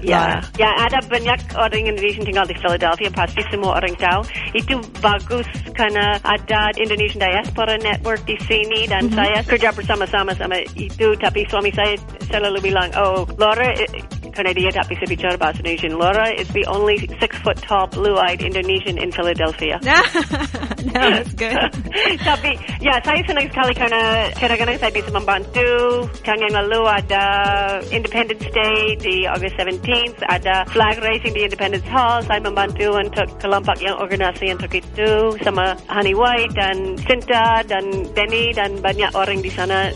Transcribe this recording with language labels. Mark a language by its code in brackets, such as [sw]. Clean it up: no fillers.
[id] Ya, ada banyak orang Indonesia tinggal di Philadelphia, pasti semua orang tahu. Itu bagus karena ada Indonesian Diaspora Network di sini dan saya kerja bersama-sama sama itu. Tapi suami saya selalu bilang, oh, Laura, karena dia tak bisa bicara bahasa Indonesia. [en] Laura is the only 6 foot tall blue-eyed Indonesian in Philadelphia. No, that's good. [id] Tapi, ya, saya senang sekali karena kadang-kadang saya bisa membantu. Tahun yang lalu ada Independence Day di August 17th. Ada [en] flag raising [id] di Independence Hall. Saya membantu untuk kelompok yang organisasi untuk itu. Sama Honey White dan Cinta dan Benny dan banyak orang di sana.